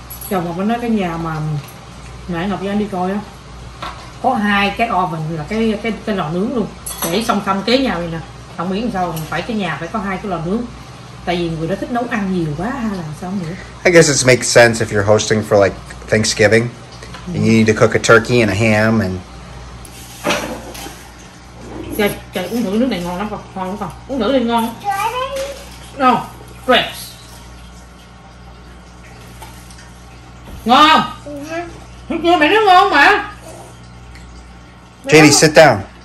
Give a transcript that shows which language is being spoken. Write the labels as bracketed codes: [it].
[vi] Chồng Ngọc nói cái nhà mà nãy Ngọc với anh đi coi á, có hai cái oven là cái lò nướng luôn, để song song kế nhau vậy nè. không biết sao phải cái nhà phải có hai cái lò nướng. Tại vì người đó thích nấu ăn nhiều quá hay là sao nữa. [en] I guess it makes sense if you're hosting for like Thanksgiving. Mm-hmm. And you need to cook a turkey and a ham and. [vi] Trời, uống thử nước này ngon lắm con, ngon lắm con. Uống thử đi ngon. Ngon. [en] Great. [vi] Ngon. Ngon. Mẹ nói ngon mà. [en] Katie, [vi] nói... [en] sit down.